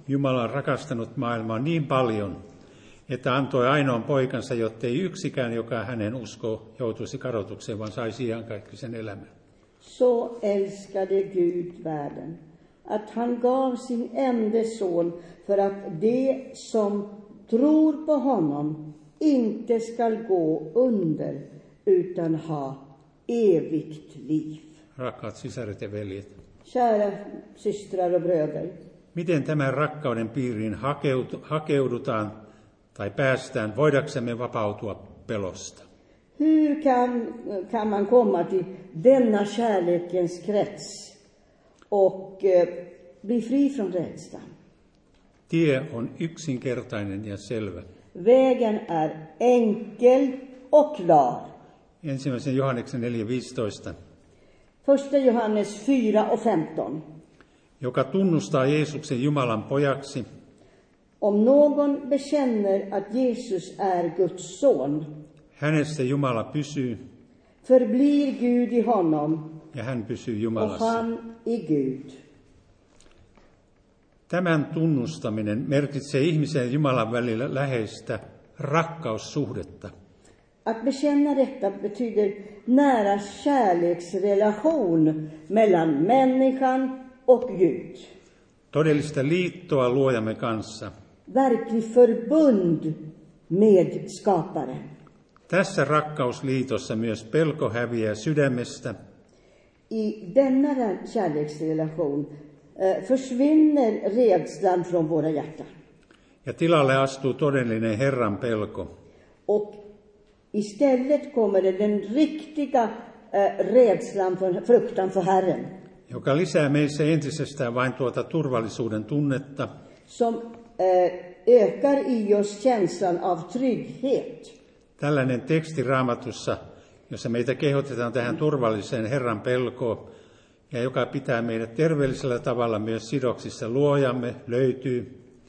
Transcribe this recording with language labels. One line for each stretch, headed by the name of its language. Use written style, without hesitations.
Finnish: Jumala on rakastanut maailmaa niin paljon, että antoi ainoan poikansa, jottei yksikään, joka hänen uskoo, joutuisi kadotukseen, vaan saisi iankaikkisen elämän.
Swedish: Så älskade Gud världen, att han gav sin enda son för att de som tror på honom inte ska gå under utan ha evigt liv.
Finnish: Rakkaat sisaret ja veljet.
Swedish: Kära systrar och bröder.
Finnish: Miten tämän rakkauden piiriin hakeudutaan tai päästään, voidaksemme vapautua pelosta?
Swedish: Hur kan man komma till denna kärlekens krets och bli fri från rädslan?
Finnish: Tie on yksinkertainen ja selvä.
Swedish: Vägen är enkel och klar.
Finnish: Ensimmäisen Johanneksen 4:15.
Swedish: Första Johannes 4:15.
Finnish: Joka tunnustaa Jeesuksen Jumalan pojaksi.
Swedish: Om någon bekänner att Jesus är Guds son.
Finnish: Hänessä Jumala pysyy.
Swedish: Förblir Gud i honom.
Finnish: Ja hän pysyy Jumalassa.
Swedish: Och han i Gud.
Finnish: Tämän tunnustaminen merkitsee ihmisen ja Jumalan välillä läheistä rakkaussuhdetta.
Swedish: Att bekänna detta betyder nära kärleksrelation mellan människan och Gud.
Finnish: Todellista liittoa luojamme kanssa.
Swedish: Verklig förbund med skaparen.
Finnish: Tässä rakkausliitossa myös pelko häviää sydämestä.
Swedish: I denna kärleksrelation försvinner rädslan från våra hjärtan.
Finnish: Ja tilalle astuu todellinen Herran pelko.
Swedish: Och istället kommer det den riktiga rädslan från fruktan för Herren.
Finnish: Joka lisää meissä entisestään vain tuota turvallisuuden tunnetta.
Swedish: Som ökar i oss känslan av trygghet.
Finnish: Tällainen teksti Raamatussa, jossa meitä kehotetaan tähän turvalliseen Herran pelkoon, ja joka pitää meidät terveellisellä tavalla myös sidoksissa luojamme, löytyy.